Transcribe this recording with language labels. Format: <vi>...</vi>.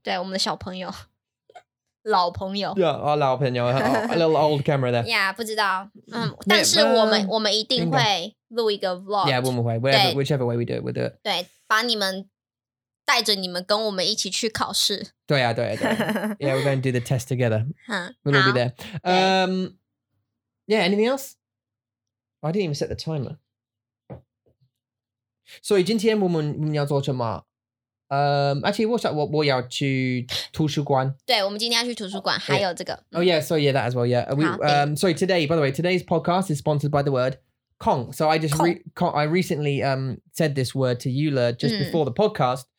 <zh>对，我们的小朋友。老朋友。</zh> <en>Yeah,</en> <zh>老朋友,</zh> <en>a little old camera there.</en> <zh>Yeah, 不知道。但是我们一定会录一个vlog.</zh> <en>Yeah,</en> <zh>我们会,</zh> <en>whichever way we do it, we'll do it.</en> <zh>对，把你们带着你们跟我们一起去考试。对啊。</zh> <en>Yeah, we're going to do the test together. We'll all be there. Yeah, anything else? I didn't even set the timer.</en> <zh>所以今天我们要做什么?</zh> <en>Actually,</en> <zh>我要去图书馆. 对,我们今天要去图书馆, 还有这个。</zh> <en>Oh yeah, so yeah, that as well, yeah. Today's podcast is sponsored by the word Kong. So I just, I recently said this word to Yula just before the podcast.</en>